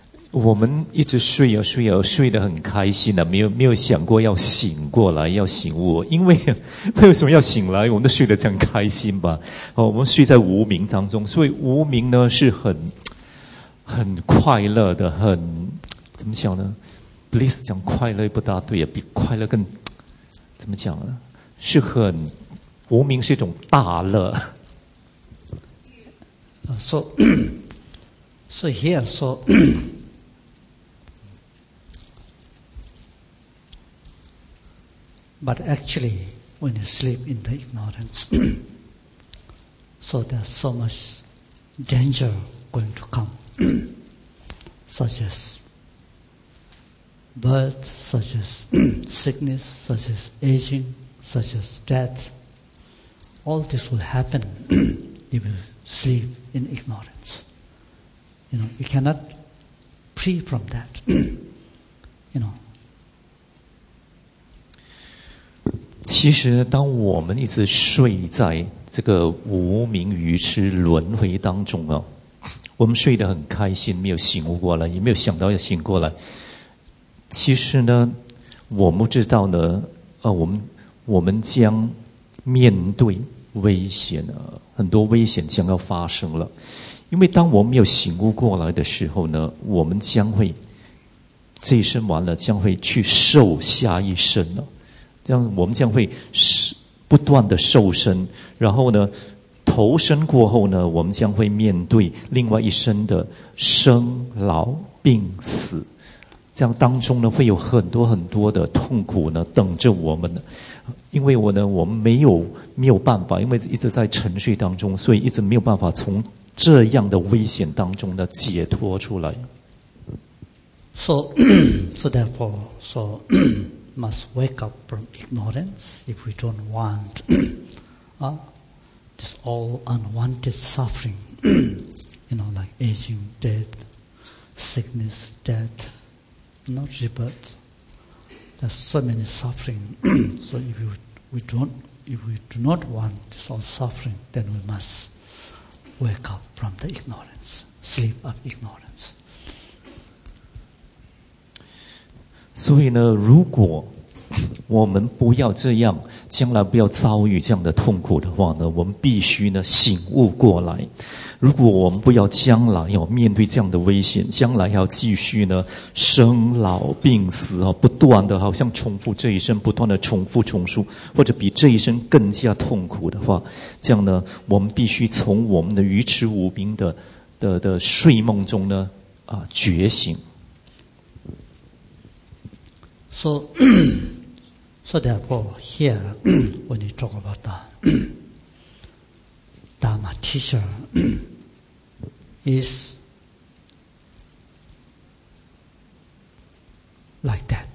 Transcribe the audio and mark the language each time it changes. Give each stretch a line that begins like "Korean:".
Chinese: 我们一直睡啊睡啊睡得很开心啊没有想过要醒过来要醒悟因为什么要醒来我们都睡得这样开心吧、哦、我们睡在无明当中所以无明呢是很快乐的很怎么讲呢 Bliss 讲快乐不大对啊比快乐更怎么讲呢是很无明是一种大乐
English: So here so But actually, when you sleep in the ignorance, so there's so much danger going to come, such as birth, such as sickness, such as aging, such as death. All this will happen if you sleep in ignorance. You know, you cannot flee from that, you know.
Chinese: 其实当我们一直睡在这个无明愚痴轮回当中啊，我们睡得很开心没有醒悟过来也没有想到要醒过来其实呢我们知道呢我们将面对危险很多危险将要发生了因为当我们没有醒悟过来的时候呢我们将会这一生完了将会去受下一生了这样我们将会不断的受身然后呢投身过后呢我们将会面对另外一生的生老病死这样当中呢会有很多很多的痛苦呢等着我们因为我们没有办法因为一直在沉睡当中所以一直没有办法从这样的危险当中呢解脱出来
English: So therefore so must wake up from ignorance if we don't want this all unwanted suffering you know like aging, death sickness, death not rebirth there's so many suffering so if we do not want this all suffering then we must wake up from the ignorance sleep of ignorance so in a
Chinese: 如果我们不要这样将来不要遭遇这样的痛苦的话呢我们必须呢醒悟过来如果我们不要将来要面对这样的危险将来要继续呢生老病死不断的好像重复这一生不断的重复重述或者比这一生更加痛苦的话这样呢我们必须从我们的愚痴无明 的睡梦中呢觉醒
English: So therefore, here, when you talk about the Dharma teacher is like that.